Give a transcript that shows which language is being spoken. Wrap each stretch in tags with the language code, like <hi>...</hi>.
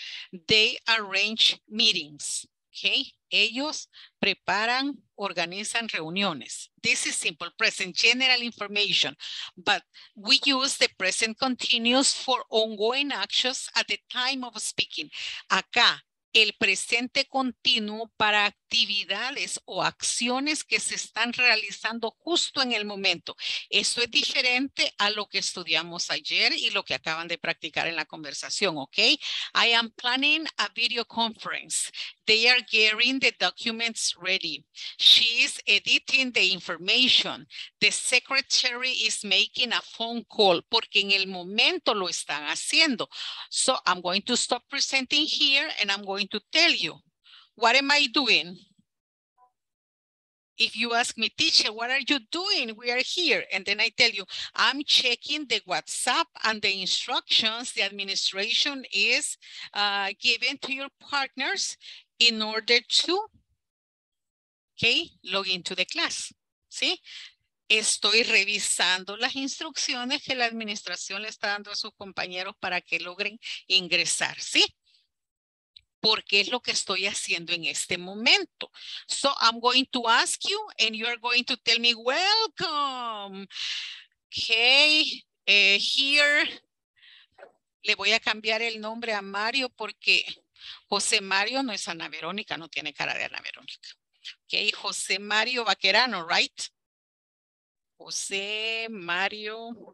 <en>They arrange meetings. Okay,</en> <es>ellos preparan, organizan reuniones.</es> <en>This is simple present, general information, but we use the present continuous for ongoing actions at the time of speaking.</en> <es>Acá, el presente continuo para actividades o acciones que se están realizando justo en el momento. Esto es diferente a lo que estudiamos ayer y lo que acaban de practicar en la conversación, ¿ok?</es> <en>I am planning a video conference. They are getting the documents ready. She is editing the information. The secretary is making a phone call</en> <es>porque en el momento lo están haciendo.</es> <en>So I'm going to stop presenting here and I'm going to tell you. What am I doing? If you ask me, teacher, what are you doing? We are here. And then I tell you, I'm checking the WhatsApp and the instructions the administration is giving to your partners in order to, okay, log into the class.</en> <es>¿Sí? Estoy revisando las instrucciones que la administración le está dando a sus compañeros para que logren ingresar. ¿Sí? Porque es lo que estoy haciendo en este momento.</es> <en>So I'm going to ask you and you are going to tell me welcome. Okay, here.</en> <es>Le voy a cambiar el nombre a Mario porque José Mario no es Ana Verónica, no tiene cara de Ana Verónica.</es> <en>Okay, José Mario Vaquerano, right? José Mario.</en>